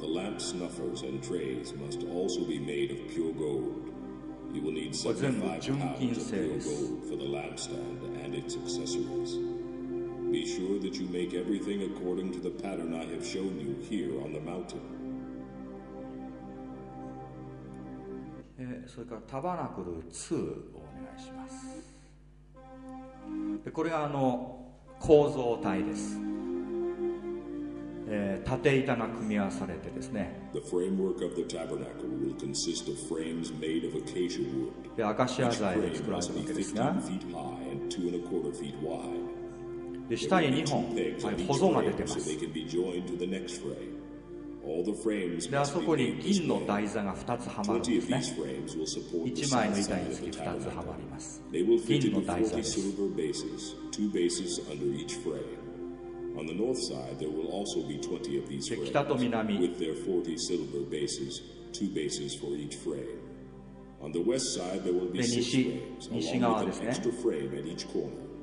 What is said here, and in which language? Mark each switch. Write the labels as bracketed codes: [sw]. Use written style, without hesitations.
[en] The lamp snuffers and trays must also be made of pure gold. You will need 75 pounds of pure gold for the lampstand and its accessories. Be sure that you make everything according to the pattern I have shown you here on the mountain. [ja] それからタバナクル2をお願いします。で、これが構造体です。縦板が組み合わされてですね。 [en] The framework of the tabernacle will consist of frames made of acacia wood. [ja] で、アカシア材で作られたわけですが。 [en] 15 feet high and 2 and a quarter feet wide. [ja] で、下に2本、ホゾが出てます。 [en] So they can be joined to the next frame. All the frames must be made this way. [ja] で、あそこに銀の台座が2つはまるんですね。 [en] 20 of these frames will support the side of the tabernacle. [ja] 1枚の板につき2つはまります。 [en] They will fit into 40 silver bases, two bases under each frame. On the north side, there will also be 20 of these frames, with their 40 silver bases, two bases for each frame. On the west side, there will be 6 frames, along with an extra frame at each corner.